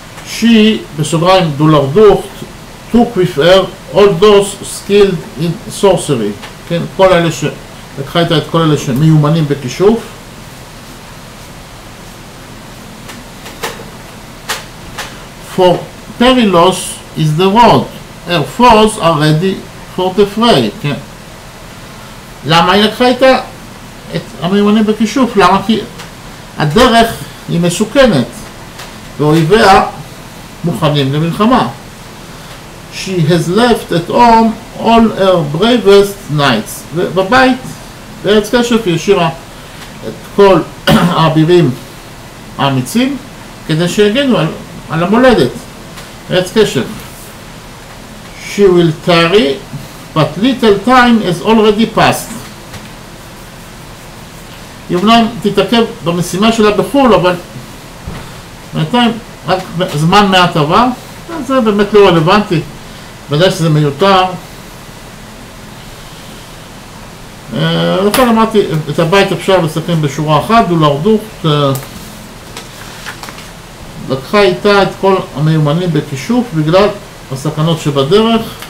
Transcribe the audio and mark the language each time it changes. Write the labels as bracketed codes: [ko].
[en] She, בסוגריים, דולרדוכט, took with her all those skilled in sorcery. [he] כן, כל אלה ש... לקחה איתה את כל אלה שמיומנים בכישוף. [en] For perilous is the road. Her foes are ready for the fray. [he] כן. למה היא לקחה איתה את המיומנים בכישוף? למה? כי הדרך היא מסוכנת. ואויביה מוכנים למלחמה. [en] She has left at home all her bravest knights. [he] ובבית, בארץ קשף, היא השאירה את כל האבירים האמיצים כדי שיגנו על, על המולדת. בארץ קשף. [en] She will tarry, but little time has already passed. [he] היא אומנם תתעכב במשימה שלה בחול, אבל בינתיים רק זמן מעט עבר, זה באמת לא רלוונטי, בגלל שזה מיותר. לכן אמרתי, את הבית אפשר לסכם בשורה אחת, דולרדוכט לקחה איתה את כל המיומנים בכישוף בגלל הסכנות שבדרך.